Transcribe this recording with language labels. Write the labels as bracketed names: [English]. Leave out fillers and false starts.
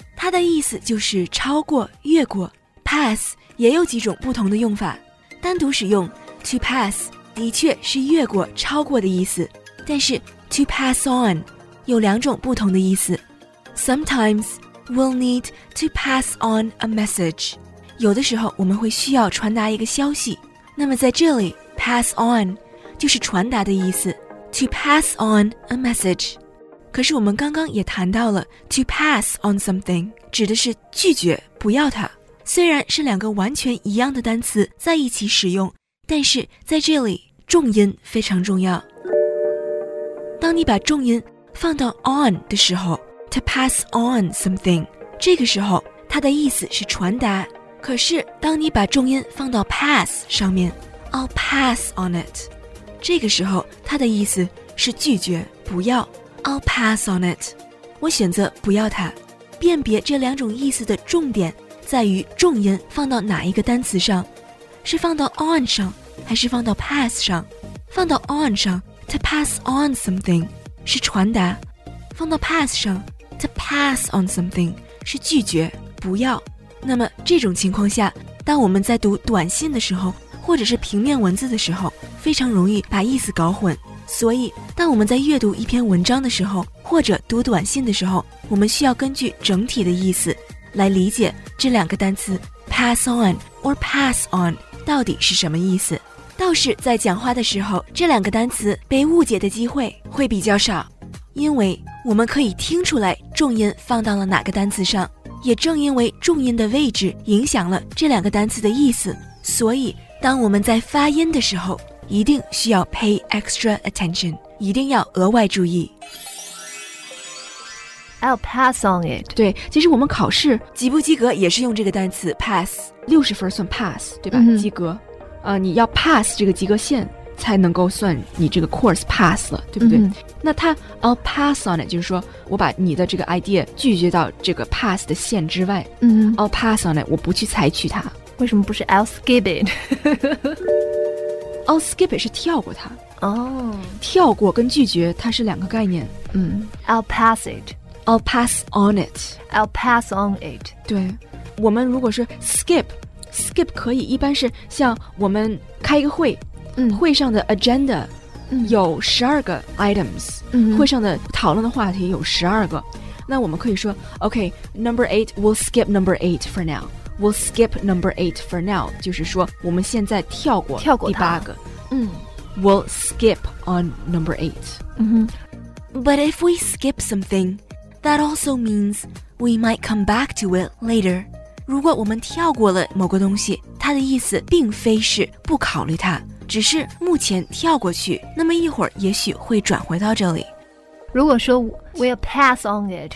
[Chinese] 它的意思就是超过，越过。Pass 也有几种不同的用法，单独使用 to pass的确是越过超过的意思，但是 [English] to pass on [Chinese] 有两种不同的意思。 [English] Sometimes we'll need to pass on a message, [Chinese] 有的时候我们会需要传达一个消息。那么在这里 pass on 就是传达的意思， [English] to pass on a message。 [Chinese] 可是我们刚刚也谈到了 to pass on something 指的是拒绝不要它，虽然是两个完全一样的单词在一起使用，但是在这里重音非常重要。当你把重音放到 on 的时候， [English] to pass on something, [Chinese] 这个时候它的意思是传达，可是当你把重音放到 pass 上面， [English] I'll pass on it， [Chinese] 这个时候它的意思是拒绝，不要， I'll pass on it， 我选择不要它。辨别这两种意思的重点在于重音放到哪一个单词上，是放到 on 上还是放到 pass 上。放到 on 上， [English] to pass on something [Chinese] 是传达，放到 pass 上， to pass on something 是拒绝，不要。那么这种情况下，当我们在读短信的时候或者是平面文字的时候，非常容易把意思搞混。所以当我们在阅读一篇文章的时候或者读短信的时候，我们需要根据整体的意思来理解这两个单词 [English] pass on or pass on [Chinese] 到底是什么意思。倒是在讲话的时候，这两个单词被误解的机会会比较少，因为我们可以听出来重音放到了哪个单词上。也正因为重音的位置影响了这两个单词的意思，所以当我们在发音的时候一定需要 [English] pay extra attention， [Chinese] 一定要额外注意。 [English] I'll pass on it。 [Chinese] 对，其实我们考试及不及格也是用这个单词 pass， 60分算 pass 对吧、及格、你要 pass 这个及格线才能够算你这个 course pass 了，对不对、那他 [English] I'll pass on it [Chinese] 就是说我把你的这个 idea 拒绝到这个 pass 的线之外。 [English] I'll pass on it， [Chinese] 我不去采取它。为什么不是 [English] I'll skip it？ I'll skip it [Chinese] 是跳过它。哦，跳过跟拒绝它是两个概念。 [English] I'll pass it。 I'll pass on it。 I'll pass on it。 [Chinese] 对，我们如果是 skip 可以，一般是像我们开一个会，会上的 agenda 有12个 items， 会上的讨论的话题有12个，那我们可以说 [English] OK number 8 we'll skip number 8 for now， [Chinese] we'll skip number 8 for now， 就是说我们现在跳过第8个。 [English] We'll skip on number 8、 But if we skip something that also means we might come back to it later， [Chinese] 如果我们跳过了某个东西，它的意思并非是不考虑它，只是目前跳过去，那么一会儿也许会转回到这里。如果说 [English] we'll pass on it，